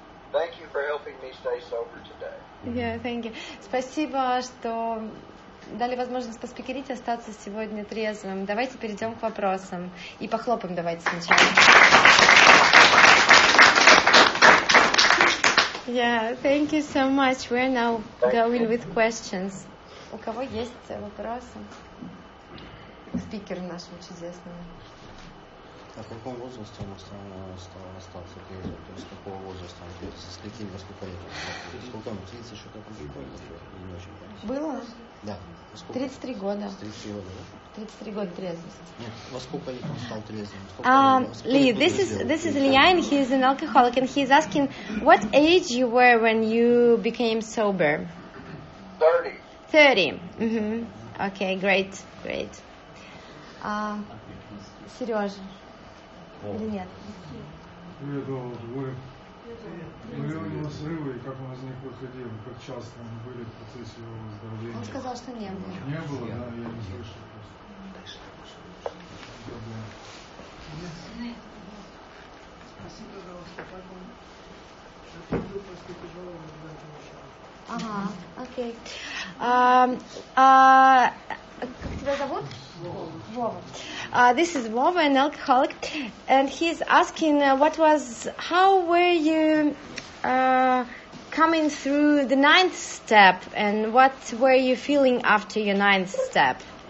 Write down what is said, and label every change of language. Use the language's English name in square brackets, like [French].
[English] Thank you for helping me stay sober today. Yeah, thank you. [Russian] Спасибо, что дали возможность поспикерить, остаться сегодня трезвым. Давайте перейдем к вопросам. И похлопаем давайте сначала. [English] Yeah, thank you so much. We're now going with questions. [Russian] У кого есть вопросы? Спикеру нашему чудесному. А в каком возрасте он остался трезвым? То есть какого возраста он трезвый? С каким, во сколько лет? Сколько ему? 30 что-то там было? Было? Да. Сколько? 33 года. 33 года, да? 33 года трезвости. Нет, во сколько лет он стал трезвым? [English] Ли, this is Lia, and he is an alcoholic, and he is asking, what age you were when you became sober? 30. Okay, great, great. [Russian] Сережа. Или нет? Нет, вот вы были на срывы, и как он из них выходил, как часто они были в процессе его выздоровления. Он сказал, что не было. Не было, да, я не слышал просто. Спроси, пожалуйста, как он был после тяжелого выздоровления. Ага, окей. Как тебя зовут? Vova. [English] This is Vova, an alcoholic, and he's asking how were you coming through the ninth step, and what were you feeling after your ninth step?